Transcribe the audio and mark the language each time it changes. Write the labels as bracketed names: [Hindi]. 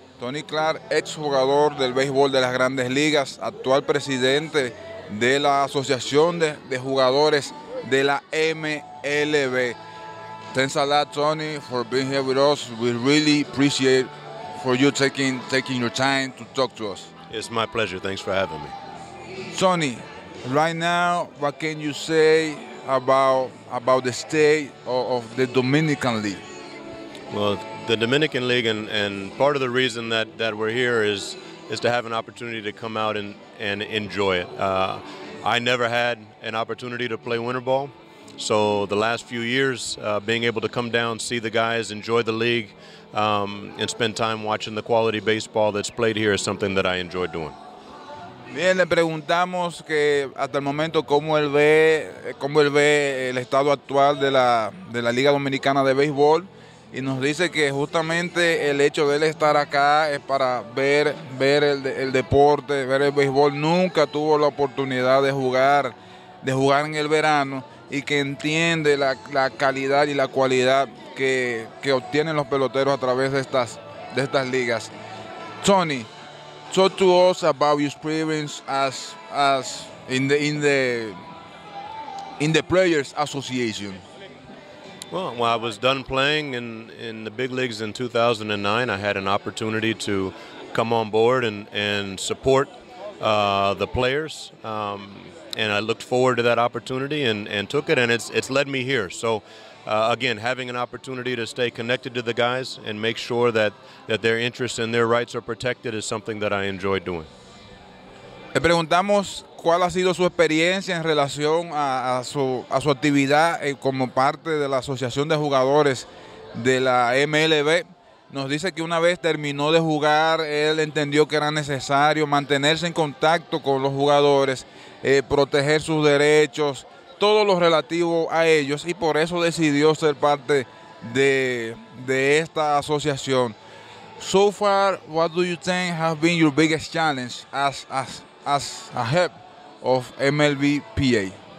[Spanish] Tony Clark, ex jugador del béisbol de las Grandes Ligas, actual presidente de la Asociación de Jugadores de la MLB. [English] Thanks a lot, Tony, for being here with us. We really appreciate for you taking your time to talk to us. It's my pleasure. Thanks for having me. Tony, right now, what can you say about the state of the Dominican League? Well, the Dominican League, and part of the reason that we're here is to have an opportunity to come out and enjoy it. I never had an opportunity to play winter ball, so the last few years, being able to come down, see the guys, enjoy the league, and spend time watching the quality baseball that's played here is something that I enjoy doing. [Spanish] Bien, le preguntamos que hasta el momento cómo él ve el estado actual de la Liga Dominicana de Béisbol, y nos dice que justamente el hecho de él estar acá es para ver el deporte, ver el béisbol. Nunca tuvo la oportunidad de jugar en el verano, y que entiende la calidad y la cualidad que obtienen los peloteros a través de estas ligas. [English] Tony, talk to us about your experience as in the Players Association. Well, I was done playing in the big leagues in 2009. I had an opportunity to come on board and support the players, and I looked forward to that opportunity and took it, and it's led me here. So, again, having an opportunity to stay connected to the guys and make sure that their interests and their rights are protected is something that I enjoy doing. [Spanish] Le preguntamos cuál ha sido su experiencia en relación a su actividad como parte de la Asociación de Jugadores de la MLB. Nos dice que una vez terminó de jugar, él entendió que era necesario mantenerse en contacto con los jugadores, proteger sus derechos, todo lo relativo a ellos, y por eso decidió ser parte de esta asociación. [English] So far, what do you think has been your biggest challenge as a head of MLBPA?